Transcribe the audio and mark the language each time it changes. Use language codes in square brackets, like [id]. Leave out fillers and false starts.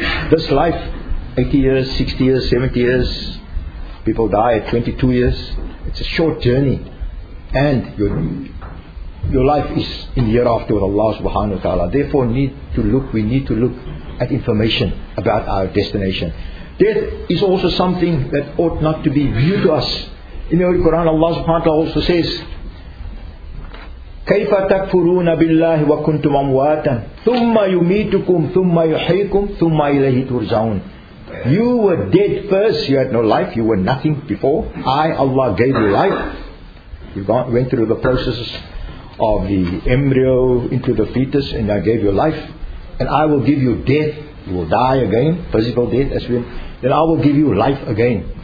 [en] This life, 80 years, 60 years, 70 years, people die at 22 years. It's a short journey. And your life is in the hereafter with Allah subhanahu wa ta'ala. Therefore we need to look at information about our destination. Death is also something that ought not to be viewed to us. In the Holy Quran, Allah subhanahu wa ta'ala also says, [ar] كَيْفَ تَكْفُرُونَ بِاللَّهِ وَكُنْتُمْ أَمْوَاتًا ثُمَّ يُمِيتُكُمْ ثُمَّ يُحَيْكُمْ ثُمَّ إِلَيْهِ تُرْزَعُونَ. [en] You were dead first, you had no life, you were nothing before. I, Allah, gave you life. You went through the processes of the embryo into the fetus, and I gave you life, and I will give you death. You will die again, physical death, as we. Then I will give you life again.